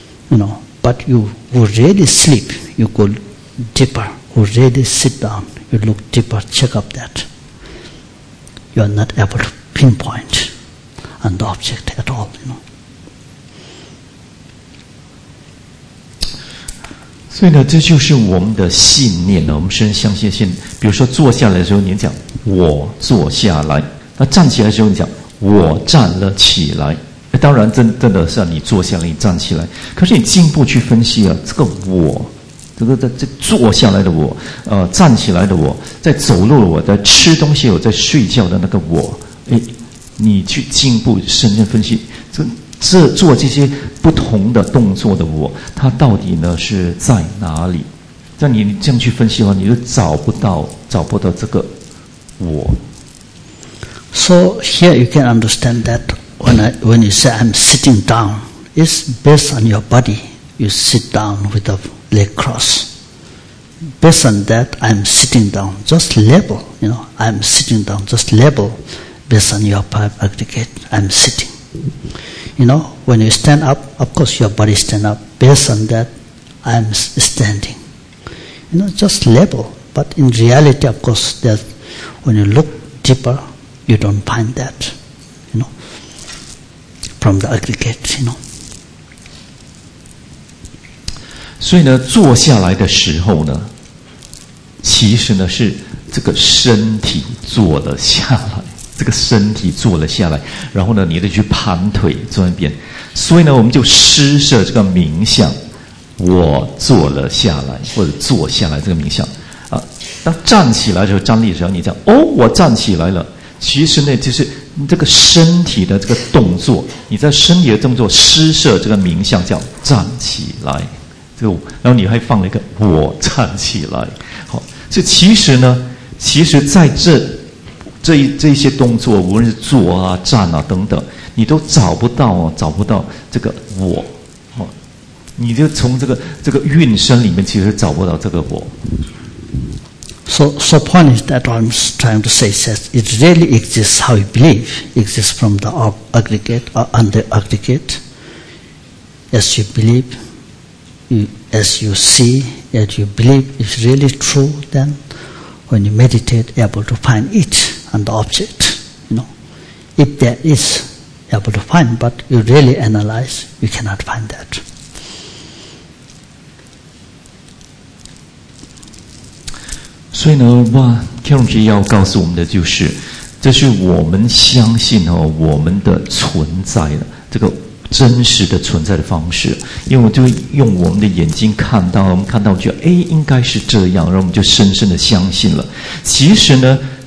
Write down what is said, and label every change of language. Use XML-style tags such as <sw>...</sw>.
<en>You know, but you who really sleep, you go deeper, who really sit down, you look deeper, check up that. You are not able to pinpoint an object at all, you know.</en> <zh>所以呢，这就是我们的信念呢。我们先相信信，比如说坐下来的时候，你讲我坐下来；那站起来的时候，你讲我站了起来。当然真的是你坐下来，你站起来。可是你进一步去分析啊，这个我，这个坐下来的我，站起来的我，在走路的我，在吃东西我，在睡觉的那个我，哎，你去进一步深入分析这。是做这些不同的动作的我，它到底呢是在哪里？那你这样去分析的话，你就找不到这个我。</zh> <en>So here you can understand that when you say I'm sitting down, it's based on your body. You sit down with the leg crossed. Based on that, I'm sitting down. Just label, you know, I'm sitting down. Just label based on your five aggregate. I'm sitting. You know, when you stand up, of course your body stand up. Based on that, I am standing. You know, just label. But in reality, of course, that when you look deeper, you don't find that. You know. from the aggregate, you know.</en> <zh>所以呢，坐下来的时候呢，其实呢是这个身体坐了下来，这个身体坐了下来，然后呢，你得去盘腿坐在那边。所以呢，我们就施舍这个冥想，我坐了下来或者坐下来这个冥想啊。当站起来的时候，站立的时候，你讲哦，我站起来了。其实呢，就是你这个身体的这个动作，你在身体的动作施舍这个冥想叫站起来。这个，然后你还放了一个我站起来。好，所以其实呢，其实在这些动作，无论是坐啊、站啊等等，你都找不到哦，找不到这个我，哦，你就从这个运身里面，其实找不到这个我。</zh> <en>So point is that I'm trying to say that it really exists how we believe exists from the aggregate or under aggregate. As you believe, as you see, as you believe is really true, then when you meditate, able to find it. And the object, you know, if there is, able to find, but you really analyze, you cannot find that.</en> <zh>所以呢，哇 ，Karen G 要告诉我们的就是，这是我们相信哦，我们的存在的这个真实的存在的方式。因为我就用我们的眼睛看到，我们看到就哎，应该是这样，然后我们就深深的相信了。其实呢。</zh>